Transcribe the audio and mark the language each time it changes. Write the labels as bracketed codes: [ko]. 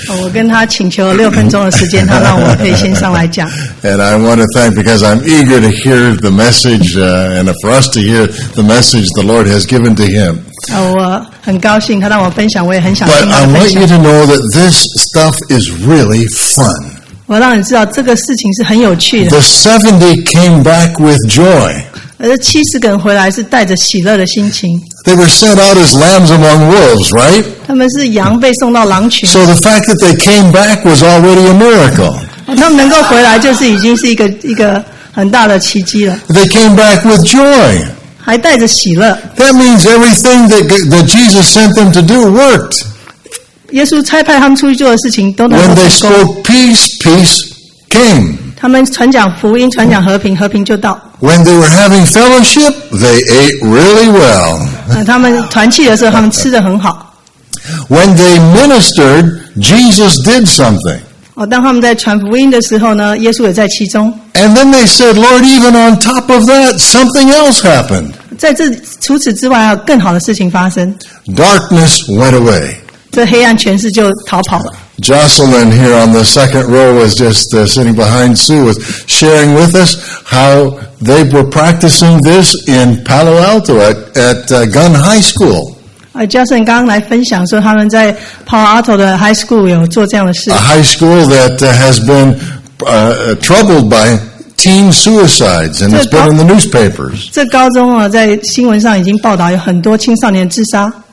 [zh] 我跟他请求了六分钟的时间，他让我可以先上来讲。 [en] And I want to thank because I'm eager to hear the message, and for us to hear the message the Lord has given to him. [zh] 我很高兴他让我分享，我也很想听他的分享。 [en] But I want you to know that this stuff is really fun. [zh] 我让你知道这个事情是很有趣的。 [en] The 70 came back with joy. [zh] 而七十个人回来是带着喜乐的心情。 [en] They were sent out as lambs among wolves, right? [zh] 他们是羊被送到狼群。 [en] So the fact that they came back was already a miracle. [zh] 他们能够回来就是已经是一个很大的奇迹了。 [en] They came back with joy. [zh] 还带着喜乐。 [en] That means everything that Jesus sent them to do worked. [zh] 耶稣差派他们出去做的事情都能够成功。 [en] When they spoke peace, peace came. [zh] 他们传讲福音，传讲和平，和平就到。 [en] When they were having fellowship, they ate really well. [zh] 他们团契的时候，他们吃得很好。 [en] When they ministered, Jesus did something. [zh] 当他们在传福音的时候呢，耶稣也在其中。 [en] And then they said, Lord, even on top of that, something else happened. [zh] 在这除此之外，还有更好的事情发生。 [en] Darkness went away. [zh] 这黑暗权势就逃跑了。 [en] Jocelyn here on the second row was just sitting behind Sue was sharing with us how they were practicing this in Palo Alto at Gunn High School. [zh] Jocelyn 刚来分享说他们在 Palo Alto 的 High School 有做这样的事。 [en] A high school that has been troubled by teen suicides and it's been in the newspapers. [zh] 这高中啊，在新闻上已经报道有很多青少年自杀。